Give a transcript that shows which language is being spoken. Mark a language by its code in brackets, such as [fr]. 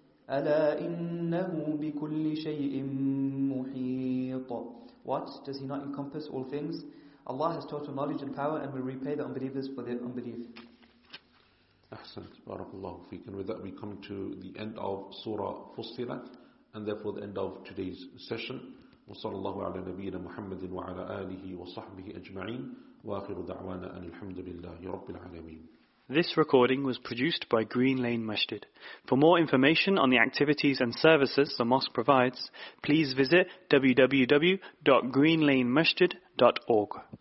[ar] أَلَا إِنَّهُ بِكُلِّ شَيْءٍ مُحِيطٌ. [en] What? Does He not encompass all things? Allah has total knowledge and power and will repay the unbelievers for their unbelief. [ar] Ahsant, barakallahu feek. [en] And with that we come to the end of Surah Fussilat, and therefore the end of today's session. [ar] وصلى الله على نبينا محمد وعلى آله وصحبه أجمعين وآخر دعوانا أن الحمد لله رب العالمين. [en] This recording was produced by Green Lane Masjid. For more information on the activities and services the mosque provides, please visit www.greenlanemasjid.org.